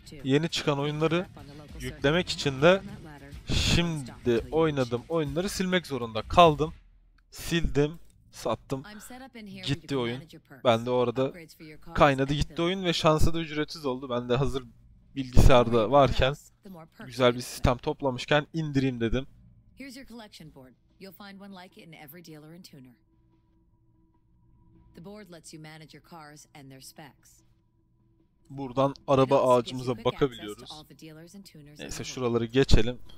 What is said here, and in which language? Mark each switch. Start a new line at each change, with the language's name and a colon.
Turkish: Yeni çıkan oyunları yüklemek için de şimdi oynadığım oyunları silmek zorunda kaldım. Sildim. Sattım. Gitti oyun. Ben de orada kaynadı gitti oyun ve şansı da ücretsiz oldu. Ben de hazır bilgisayarda varken, güzel bir sistem toplamışken indireyim dedim.
English: Here's your collection board. You'll find one like it in every dealer and tuner. The board lets you manage your cars and their specs.
Turkish: Buradan araba ağacımıza bakabiliyoruz. Neyse şuraları geçelim.